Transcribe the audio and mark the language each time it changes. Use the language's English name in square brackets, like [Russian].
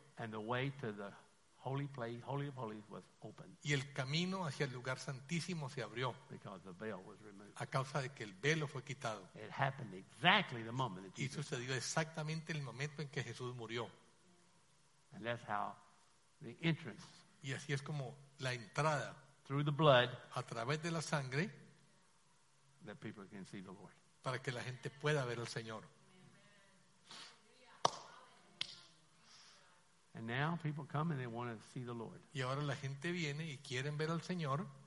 [English] And the way to the holy place, holy of holies, was opened. [Spanish] Y el camino hacia el lugar santísimo se abrió. [English] Because the veil was removed. [Spanish] A causa de que el velo fue quitado. [English] It happened exactly the moment that Jesus. [Spanish] Y sucedió exactamente el momento en que Jesús murió. [English] And that's how the entrance. [Spanish] Y así es como la entrada. [English] Through the blood. [Spanish] A través de la sangre. [English] That people can see the Lord. [Spanish] Para que la gente pueda ver al Señor. [English] And now people come and they want to see the Lord. [Spanish] Y ahora la gente viene y quieren ver al Señor.